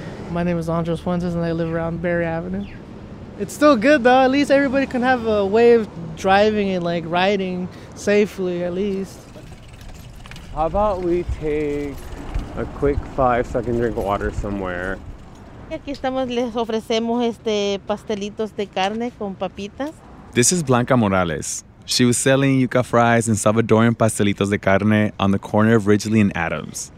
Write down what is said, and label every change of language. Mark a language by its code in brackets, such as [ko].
[en] My name is Andres Fuentes, and I live around Berry Avenue. It's still good, though. At least everybody can have a way of driving and, like, riding safely, at least. How about we take a quick 5-second drink of water somewhere? [es] Aquí estamos, les ofrecemos este pastelitos de carne con papitas. [en] This is Blanca Morales. She was selling yuca fries and Salvadorian pastelitos de carne on the corner of Ridgely and Adams.